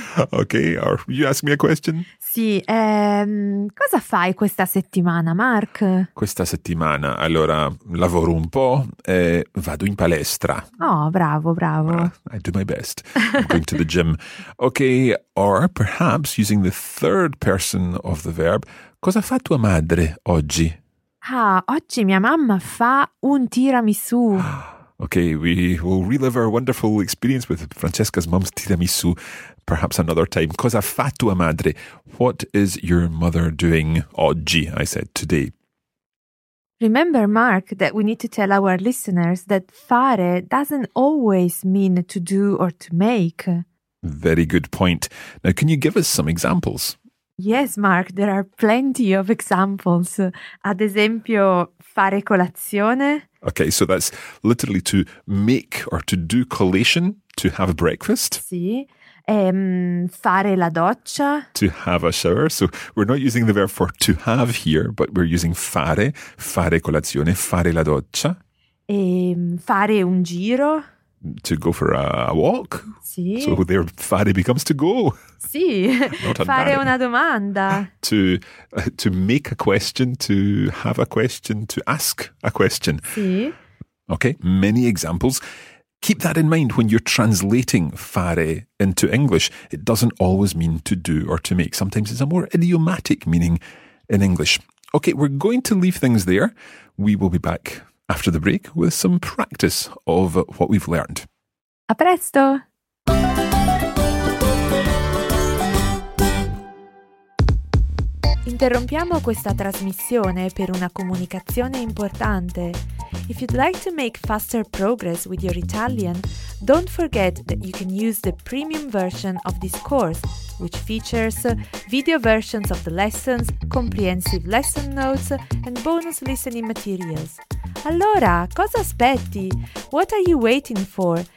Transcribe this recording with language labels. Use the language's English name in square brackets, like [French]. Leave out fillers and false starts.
[English] Okay, or you ask me a question. [Italian] Sì, cosa fai questa settimana, Mark? Questa settimana, allora, lavoro un po', vado in palestra. Oh, bravo, bravo. [English] I do my best. I'm going to the gym. Okay, or perhaps using the third person of the verb, [Italian] cosa fa tua madre oggi? Ah, oggi mia mamma fa un tiramisù. [English] Okay, we will relive our wonderful experience with Francesca's mum's tiramisù perhaps another time. [Italian] Cosa fa tua madre? [English] What is your mother doing oggi, I said, today? Remember, Mark, that we need to tell our listeners that fare doesn't always mean to do or to make. Very good point. Now, can you give us some examples? Yes, Mark, there are plenty of examples. [Italian] Ad esempio, fare colazione. [English] Okay, so that's literally to make or to do collation, to have breakfast. [Italian] Sì. Fare la doccia. [English] To have a shower. So we're not using the verb for to have here, but we're using fare, [Italian] fare colazione, fare la doccia. Fare un giro. [English] To go for a walk. [Italian] Sì. [English] So there, fare becomes to go. [Italian] Sì. Fare una domanda. [English] To make a question, to have a question, to ask a question. [Italian] Sì. [English] Okay, many examples. Keep that in mind when you're translating fare into English. It doesn't always mean to do or to make. Sometimes it's a more idiomatic meaning in English. Okay, we're going to leave things there. We will be back after the break with some practice of what we've learned. [Italian] A presto! Interrompiamo questa trasmissione per una comunicazione importante. [English] If you'd like to make faster progress with your Italian, don't forget that you can use the premium version of this course, which features video versions of the lessons, comprehensive lesson notes, and bonus listening materials. [Italian] Allora, cosa aspetti? [English] What are you waiting for?